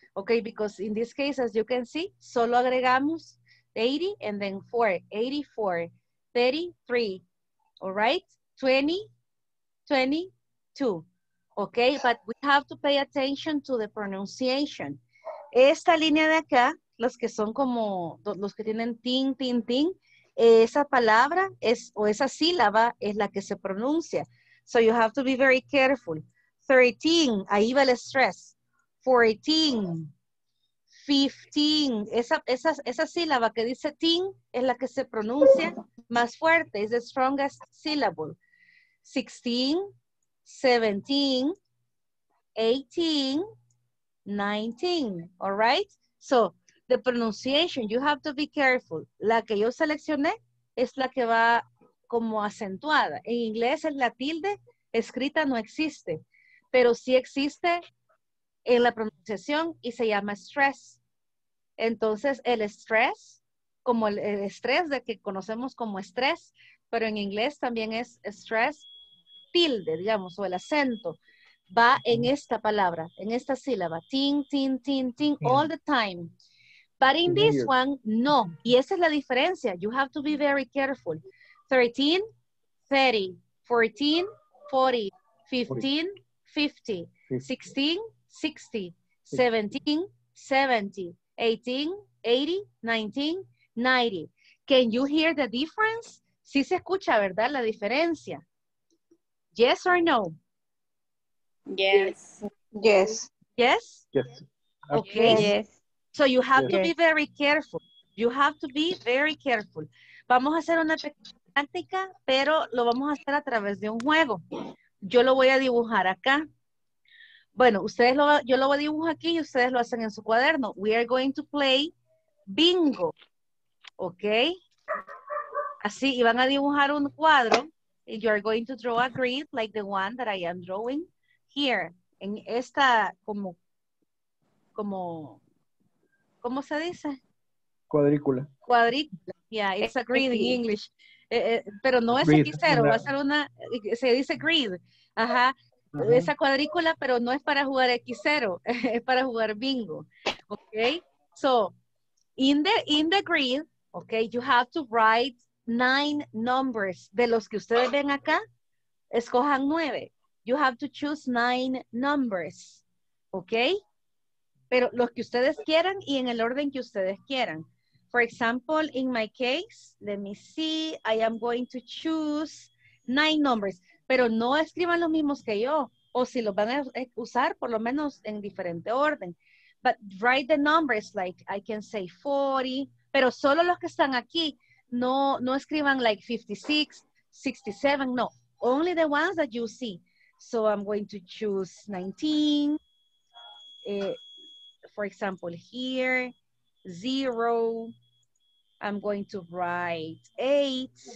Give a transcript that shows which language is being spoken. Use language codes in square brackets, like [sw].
[en] Okay, because in this case, as you can see, [es] solo agregamos [en] 80 and then 4. 84. 33. All right? 20, 22. Okay, but we have to pay attention to the pronunciation. [es] Esta línea de acá, los que son como, los que tienen tin, tin, tin, esa palabra es, o esa sílaba es la que se pronuncia. [en] So you have to be very careful. 13, [es] ahí va el stress. 14, 15, esa sílaba que dice tin es la que se pronuncia más fuerte, es [en] the strongest syllable. 16, 17, 18, 19, all right? So, the pronunciation, you have to be careful. [es] La que yo seleccioné es la que va como acentuada. En inglés es la tilde, escrita no existe, pero sí existe en la pronunciación y se llama stress. Entonces, el stress, como el estrés de que conocemos como estrés, pero en inglés también es stress, tilde, digamos, o el acento, va en esta palabra, en esta sílaba, ting, ting, ting, ting, yeah. [en] All the time. But in this one, no. [es] Y esa es la diferencia. [en] You have to be very careful. 13, 30, 14, 40, 15, 50, 16, 60, 17, 70, 18, 80, 19, 90. Can you hear the difference? [es] Sí se escucha, ¿verdad? La diferencia. [en] Yes or no? Yes. Yes. Yes? Yes. Okay. Yes. So you have yes. to be very careful. You have to be very careful. [es] Vamos a hacer una práctica, pero lo vamos a hacer a través de un juego. Yo lo voy a dibujar acá. Bueno, ustedes lo, yo lo voy a dibujar aquí y ustedes lo hacen en su cuaderno. [en] We are going to play bingo. Okay. [es] Así, y van a dibujar un cuadro. [en] You are going to draw a grid like the one that I am drawing here. [es] En esta, como, ¿cómo se dice? Cuadrícula. Cuadrícula, [en] yeah, it's a grid in English. [es] Pero no es grid, X0, no. Va a ser una, se dice grid. Ajá, uh-huh. Esa cuadrícula, pero no es para jugar X0, es para jugar bingo. [en] Okay, so, in the grid, okay, you have to write 9 numbers. [es] De los que ustedes ven acá, escojan 9. [en] You have to choose 9 numbers. [es] ¿Ok? Pero los que ustedes quieran [en] y en el orden que ustedes quieran. For example, in my case, let me see, I am going to choose 9 numbers. [es] pero no escriban los mismos que yo. O si los van a usar, por lo menos en diferente orden. [en] But write the numbers, like I can say 40. [es] Pero solo los que están aquí, no escriban like 56, 67, no. [en] Only the ones that you see. So I'm going to choose 19. For example, here, 0. I'm going to write 8.